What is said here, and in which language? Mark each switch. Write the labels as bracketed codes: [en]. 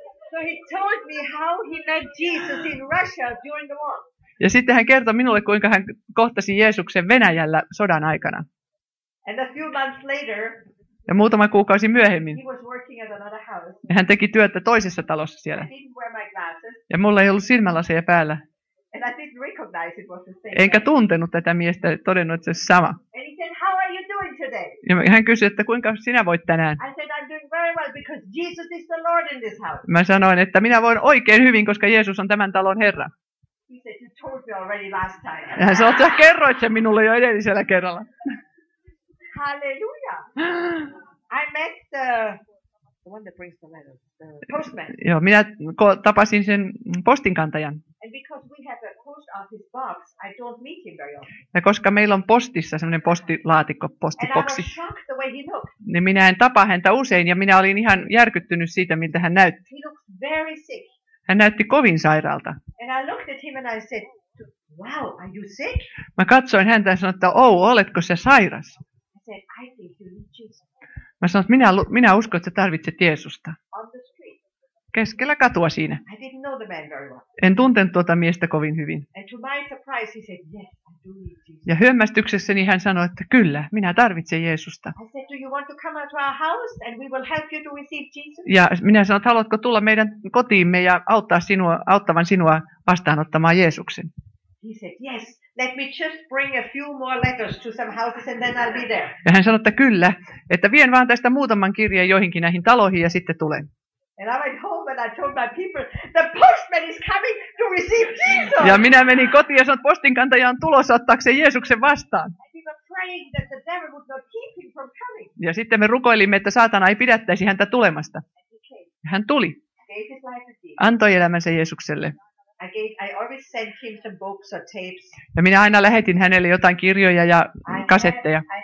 [en] So he told me how he met Jesus in Russia during the war. [fi] Ja sitten hän kertoi minulle, kuinka hän kohtasi Jeesuksen Venäjällä sodan aikana. [en] And a few months later, [fi] ja muutama kuukausi myöhemmin, [en] he was working at another house. [fi] Ja hän teki työtä toisessa talossa siellä. [en] I didn't wear my glasses. [fi] Ja mulla ei ollut silmälaseja päällä. [en] And I didn't recognize it was the same. [fi] Enkä tuntenut tätä miestä, todennut, että se on sama. [en] And he said, how are you doing today? [fi] Ja hän kysyi, että kuinka sinä voit tänään? [en] I said, I'm doing very well because Jesus is the Lord in this house. [fi] Mä sanoin, että minä voin oikein hyvin, koska Jeesus on tämän talon Herra. [en] He said, you told me already last time. [fi] Sä kerroit sen minulle jo edellisellä kerralla. Hallelujah. [en] I met the one that brings the letters, the postman. [fi] Joo, minä tapasin sen postinkantajan. [en] And because we have a post office box, I don't meet him very often. [fi] Ja koska meillä on postissa semmoinen postilaatikko, postiboksi. [en] And I was shocked the way he looked. [fi] Niin minä en tapa häntä usein ja minä olin ihan järkyttynyt siitä, miltä hän näytti. [en] He looks very sick. [fi] Hän näytti kovin sairaalta. [en] And I looked at him and I said, wow, are you sick? [fi] Mä katsoin häntä ja sanoin, että oh, oletko sä sairas? [en] I said, I think you need Jesus. [fi] Mä sanoin, että minä uskon, että sä tarvitset Jeesusta. [en] On the street. [fi] Keskellä katua siinä. [en] I didn't know the man very well. [fi] En tuntenut tuota miestä kovin hyvin. [en] And to my surprise, he said, yes, I do need Jesus. [fi] Ja hyömmästyksessäni hän sanoi, että kyllä, minä tarvitsen Jeesusta. [en] I said, do you want to come out to our house and we will help you to receive Jesus? [fi] Ja minä sanoin, että haluatko tulla meidän kotiimme ja auttavan sinua vastaanottamaan Jeesuksen. [en] He said, yes. Let me just bring a few more letters to some houses and then I'll be there. [fi] Ja hän sanoi, että kyllä, että vien vaan tästä muutaman kirjeen joihinkin näihin taloihin ja sitten tulen. [en] And I went home and I told my people, the postman is coming to receive Jesus. [fi] Ja minä menin kotiin ja sanoin, postinkantaja on tulossa ottaakseen Jeesuksen vastaan. [en] And we were praying that the devil would not keep him from coming. [fi] Ja sitten me rukoilimme, että saatana ei pidättäisi häntä tulemasta. [en] And he came. [fi] Hän tuli. [en] Gave his life to Jesus. [fi] Antoi elämänsä Jeesukselle. [en] I always sent him some books or tapes. [fi] Ja minä aina lähetin hänelle jotain kirjoja ja kasetteja.